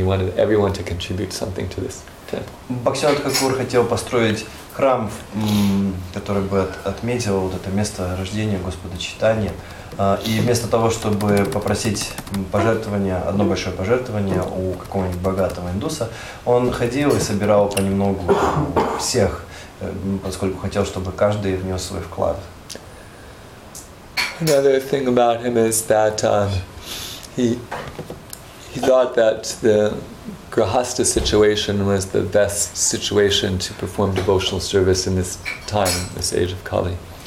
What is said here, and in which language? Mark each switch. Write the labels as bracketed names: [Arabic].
[English] He wanted everyone to contribute something to this temple. [Russian] Бхактисиддханта Тхакур хотел построить храм, который бы отметил вот это место рождения Господа Чайтаньи. И вместо того, чтобы попросить пожертвование, одно большое пожертвование у какого-нибудь богатого индуса, он ходил и собирал понемногу всех, поскольку хотел, чтобы каждый внес свой вклад. [English] Another thing about him is that he thought that the grihastha situation was the best situation to perform devotional service in this time, this age of Kali.